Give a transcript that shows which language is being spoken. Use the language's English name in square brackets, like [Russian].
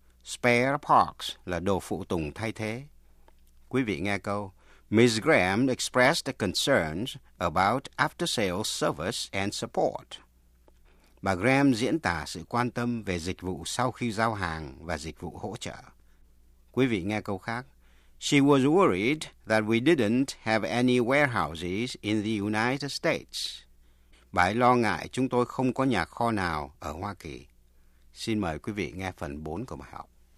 [English] Spare parts [Vietnamese] là đồ phụ tùng thay thế. Quý vị nghe câu [English] Miss Graham expressed concerns about after-sales service and support. [Vietnamese] Bà Graham diễn tả sự quan tâm về dịch vụ sau khi giao hàng và dịch vụ hỗ trợ. Quý vị nghe câu khác. [English] She was worried that we didn't have any warehouses in the United States. [Vietnamese] Bà ấy lo ngại chúng tôi không có nhà kho nào ở Hoa Kỳ. Xin mời quý vị nghe phần 4 của bài học.